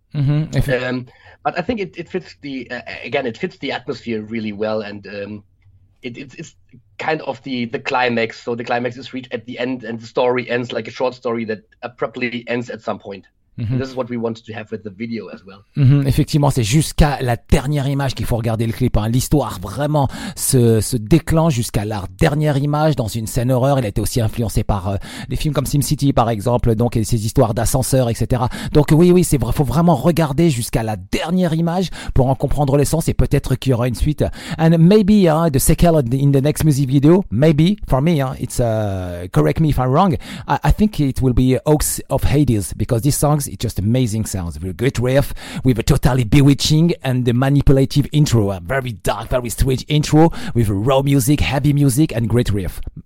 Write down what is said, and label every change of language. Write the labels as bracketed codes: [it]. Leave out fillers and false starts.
[en] Mm-hmm. But I think it fits the again it fits the atmosphere really well, and it's kind of the climax. So the climax is reached at the end, and the story ends like a short story that abruptly ends at some point. Mm-hmm. This is what we wanted to have with the video as well. Mm-hmm. [fr] Effectivement, c'est jusqu'à la dernière image qu'il faut regarder le clip, hein. L'histoire vraiment se déclenche jusqu'à la dernière image dans une scène horreur. Elle a été aussi influencée par des films comme Sim City, par exemple, donc et ces histoires d'ascenseurs, etc. Donc oui, c'est vrai. Faut vraiment regarder jusqu'à la dernière image pour en comprendre le sens, et peut-être qu'il y aura une suite. [en] And maybe the sequel in the next music video. Maybe for me, it's correct me if I'm wrong. I think it will be Oaks of Hades, because this song. It's just amazing sounds. With a great riff, with a totally bewitching and the manipulative intro, a very dark, very strange intro with raw music, heavy music, and great riff.